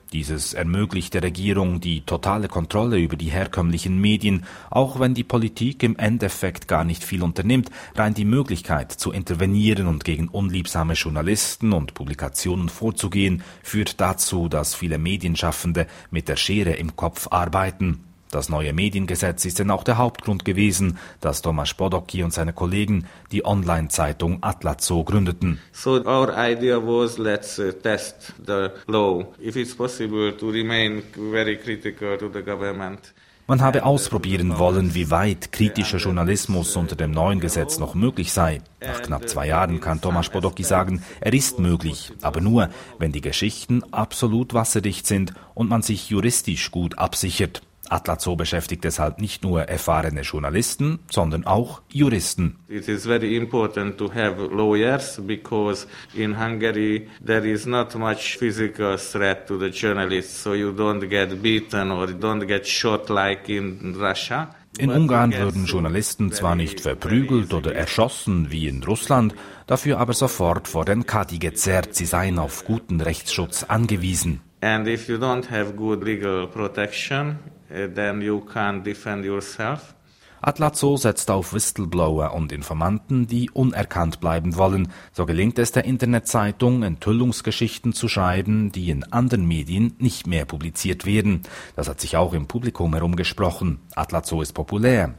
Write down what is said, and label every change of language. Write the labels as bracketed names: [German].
[German] Dieses ermöglicht der Regierung die totale Kontrolle über die herkömmlichen Medien, auch wenn die Politik im Endeffekt gar nicht viel unternimmt, rein die Möglichkeit zu intervenieren und gegen unliebsame Journalisten und Publikationen vorzugehen, führt dazu, dass viele Medienschaffende mit der Schere im Kopf arbeiten. Das neue Mediengesetz ist denn auch der Hauptgrund gewesen, dass Tomasz Bodoki und seine Kollegen die Online-Zeitung Atlazó gründeten. [English] So our idea was, let's test the law, if it's possible to remain very critical to the government. [German] Man habe ausprobieren wollen, wie weit kritischer Journalismus unter dem neuen Gesetz noch möglich sei. Nach knapp 2 Jahren kann Tomasz Bodoki sagen, er ist möglich, aber nur, wenn die Geschichten absolut wasserdicht sind und man sich juristisch gut absichert. Atlas Zoo beschäftigt deshalb nicht nur erfahrene Journalisten, sondern auch Juristen. [English] It is very important to have lawyers because in Hungary there is not much physical threat to the journalists, so you don't get beaten or don't get shot like in Russia. [German] In Ungarn würden Journalisten zwar nicht verprügelt oder erschossen wie in Russland, dafür aber sofort vor den Kadi gezerrt. Sie seien auf guten Rechtsschutz angewiesen. [English] And if you don't have good legal protection, then you can't defend yourself. [German] Atlas Zoo setzt auf Whistleblower und Informanten, die unerkannt bleiben wollen. So gelingt es der Internetzeitung, Enthüllungsgeschichten zu schreiben, die in anderen Medien nicht mehr publiziert werden. Das hat sich auch im Publikum herumgesprochen. Atlas Zoo ist populär.